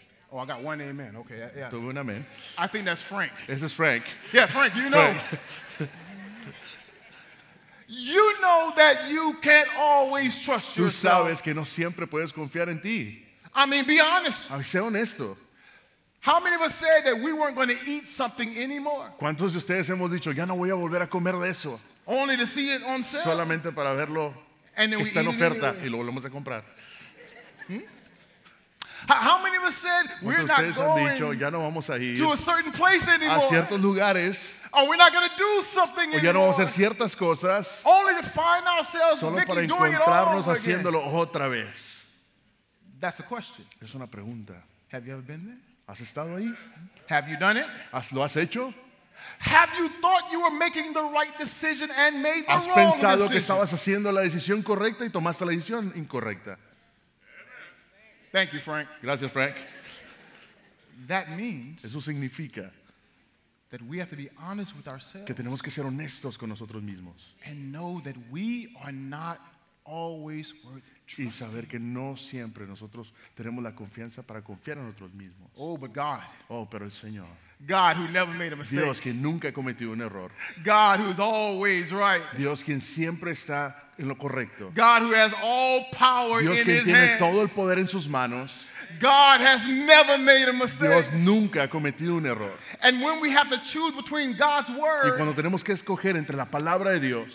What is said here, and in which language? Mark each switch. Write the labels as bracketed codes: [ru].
[en] Oh, I got one amen. Okay, yeah. [es] Tuve un amen. [en] I think that's Frank. This is Frank. Yeah, Frank, you know. You know that you can't always trust [es] tú [en] yourself. [es] Tú sabes que no siempre puedes confiar en ti. [en] I mean, be honest. [es] A ver, sé honesto. [en] How many of us said that we weren't going to eat something anymore? [es] ¿Cuántos de ustedes hemos dicho, ya no voy a volver a comer de eso? [en] Only to see it on sale. [es] Solamente para verlo que está en oferta y lo volvemos a comprar. [en] How many of us said we're not going [es] dicho, ya no vamos a ir [en] to a certain place anymore? [es] A ciertos lugares. [en] Or we're not going to do something [es] o ya [en] anymore. [es] No vamos a hacer ciertas cosas. [en] Only to find ourselves [es] solo para [en] doing [es] encontrarnos [en] it all [es] haciéndolo [en] again. [es] Otra vez. [en] That's a question. [es] Es una pregunta. [en] Have you ever been there? [es] ¿Has estado ahí? [en] Have you done it? [es] ¿Lo has hecho? [en] Have you thought you were making the right decision and made the wrong decision? [es] ¿Has pensado que estabas haciendo la decisión correcta y tomaste la decisión incorrecta? [en] Thank you, Frank. [es] Gracias, Frank. [en] That means [es] eso significa [en] that we have to be honest with ourselves. [es] Que tenemos que ser honestos con nosotros mismos. [en] And know that we are not always worth trusting. [es] Y saber que no siempre nosotros tenemos la confianza para confiar en nosotros mismos. [en] Oh, but God. [es] Oh, pero el Señor. [en] God who never made a mistake. [es] Dios quien nunca ha cometido un error. [en] God who is always right. [es] Dios quien siempre está en lo correcto. [en] God who has all power [es] Dios [en] in his hands. [es] Dios quien tiene todo el poder en sus manos. [en] God has never made a mistake. [es] Dios nunca ha cometido un error. [en] And when we have to choose between God's word [es] y cuando tenemos que escoger entre la palabra de Dios